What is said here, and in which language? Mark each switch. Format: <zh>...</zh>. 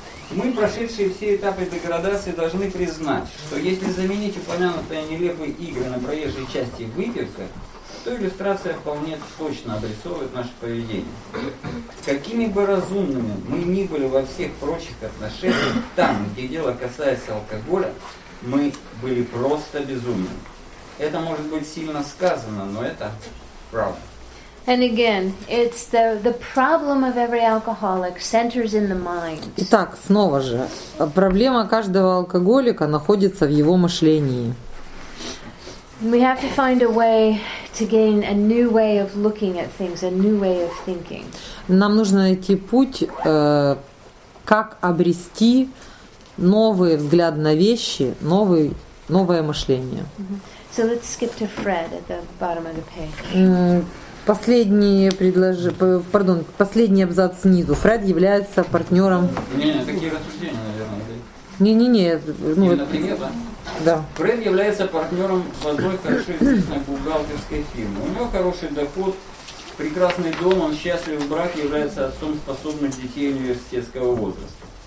<ru>Мы, прошедшие все этапы деградации, должны признать, что если заменить упомянутые нелепые игры на проезжей части выпивка, то иллюстрация вполне точно обрисовывает наше поведение. Какими бы разумными мы ни были во всех прочих отношениях, там, где дело касается алкоголя, мы были просто безумными. Это может быть сильно сказано, но это правда.</ru> <en>And again, it's the problem of every alcoholic centers in the mind.</en> <ru>Итак, снова же, проблема каждого алкоголика находится в его мышлении.</ru> <en>We have to find a way to gain a new way of looking at things, a new way of thinking.</en> <ru>Нам нужно найти путь, как обрести новый взгляд на вещи, новое мышление. Mm-hmm.</ru> <en>So let's skip to Fred at the bottom of the page.</en> <ru>Последний абзац снизу. Фред является партнером. Не, такие рассуждения, наверное. Да. Фред является партнером в одной хорошо известной бухгалтерской фирмы. У него хороший доход, прекрасный дом, он счастлив в браке, является отцом способных детей университетского возраста.</ru>